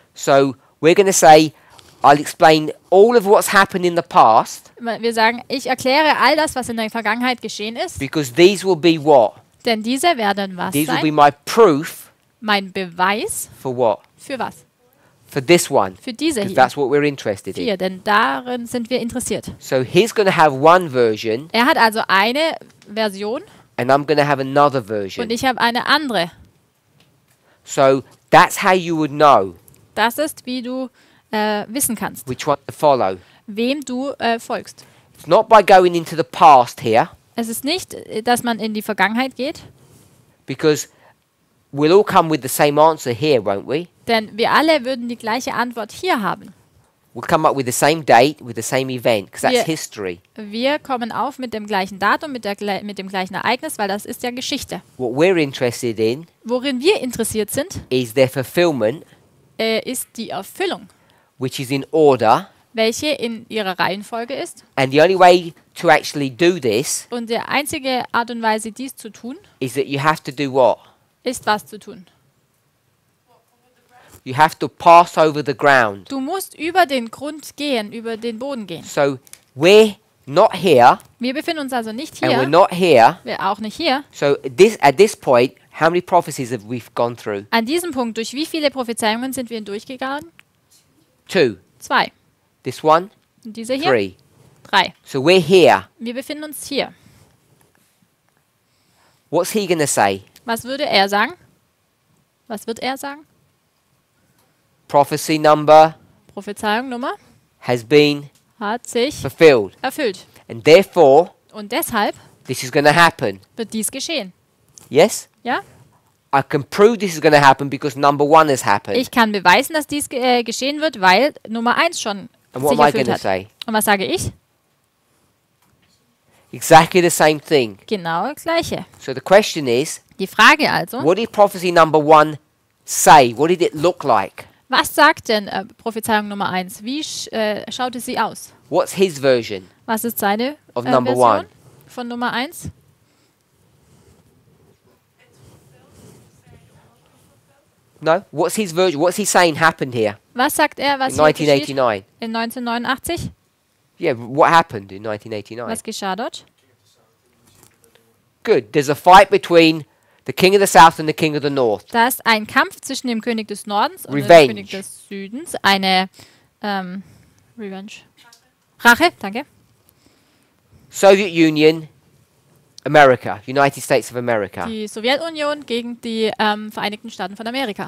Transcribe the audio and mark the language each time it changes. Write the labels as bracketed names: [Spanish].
[English] So we're going to say, I'll explain all of what's happened in the past. [German] Wir sagen, ich erkläre all das, was in der Vergangenheit geschehen ist. [English] Because these will be what? [German] Denn diese werden was [English] these [German] sein? [English] Will be my proof. [German] Mein Beweis. [English] For what? [German] Für was? [English] For this one. [German] Für diese hier. [English] That's what we're interested [German] in. Denn darin sind wir interessiert. [English] So he's going to have one version. [German] Er hat also eine Version. [English] And I'm going to have another version. [German] Und ich habe eine andere. [English] So that's how you would know. [German] Das ist, wie du wissen kannst. [English] Which one to follow. [German] Wem du folgst. [English] It's not by going into the past here. [German] Es ist nicht, dass man in die Vergangenheit geht. [English] Because we'll all come with the same answer here, won't we? [German] Denn wir alle würden die gleiche Antwort hier haben. [English] We'll come up with the same date, with the same event, because that's history. [German] Wir kommen auf mit dem gleichen Datum, mit dem gleichen Ereignis, weil das ist ja Geschichte. [English] What we're interested in. [German] Worin wir interessiert sind. [English] Is their fulfillment. [German] Ist die Erfüllung, [English] which is in order, [German] welche in ihrer Reihenfolge ist. [English] And the only way to actually do this, [German] und die einzige Art und Weise, dies zu tun, [English] is that you have to do what? [German] Ist was zu tun. [English] You have to pass over the ground. [German] Du musst über den Grund gehen, über den Boden gehen. [English] So we're not here. [German] Wir befinden uns also nicht hier. [English] And we're not here. [German] Wir auch nicht hier. [English] So at this point, how many prophecies have we gone through? [German] An diesem Punkt, durch wie viele Prophezeiungen sind wir durchgegangen? [English] Two. [German] Zwei. [English] This one? [German] Und diese hier? [English] Three. [German] Drei. [English] So we're here. [German] Wir befinden uns hier. [English] What's he gonna say? [German] Was würde er sagen? Was wird er sagen? [English] Prophecy number. [German] Prophezeiung Nummer. [English] Has been. [German] Hat sich. [English] Fulfilled. [German] Erfüllt. [English] And therefore. [German] Und deshalb. [English] This is gonna happen. [German] Wird dies geschehen. [English] Yes? [German] Ja? [English] I can prove this is going to happen because number one has happened. [German] Ich kann beweisen, dass dies geschehen wird, weil Nummer 1 schon sich erfüllt hat. Say? Und was sage ich? [English] Exactly the same thing. [German] Genau das gleiche. [English] So the question is, [German] die Frage also, [English] what did prophecy number one say? What did it look like? [German] Was sagt denn Prophezeiung Nummer 1? Wie schaute sie aus? [English] What's his version? [German] Was ist seine [English] of number Version one? [German] Von Nummer 1? [English] No, what's his version? What's he saying happened here? [German] Was sagt er, was [English] in 1989? [German] In 1989? [English] Yeah, what happened in 1989? [German] Was geschah dort? [English] Good. There's a fight between the king of the south and the king of the north. [German] Da ist ein Kampf zwischen dem König des Nordens und dem König des Südens. Eine Revenge. Rache, danke. [English] Soviet Union. America, United States of America. [German] Die Sowjetunion gegen die Vereinigten Staaten von Amerika.